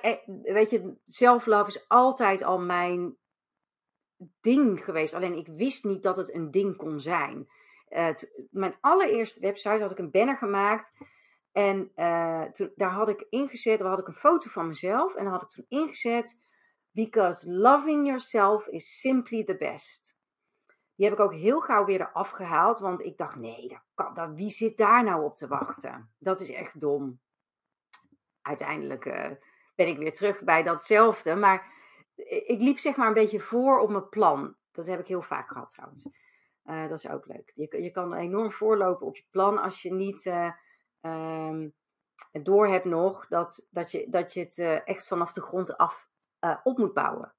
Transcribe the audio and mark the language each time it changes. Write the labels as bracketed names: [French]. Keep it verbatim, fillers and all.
[Dutch] eh, Weet je, self-love is altijd al mijn ding geweest. Alleen ik wist niet dat het een ding kon zijn. Eh, t- mijn allereerste website had ik een banner gemaakt. En eh, toen, daar had ik ingezet. Daar had ik een foto van mezelf. En daar had ik toen ingezet. [English] Because loving yourself is simply the best. [Dutch] Die heb ik ook heel gauw weer eraf gehaald. Want ik dacht, nee, dat kan, dat, wie zit daar nou op te wachten? Dat is echt dom. Uiteindelijk eh, ben ik weer terug bij datzelfde. Maar i- ik liep zeg maar een beetje voor op mijn plan. Dat heb ik heel vaak gehad trouwens. Eh, dat is ook leuk. Je, je kan enorm voorlopen op je plan als je niet eh ehm, door hebt nog dat, dat, je, dat je het eh, echt vanaf de grond af eh, op moet bouwen.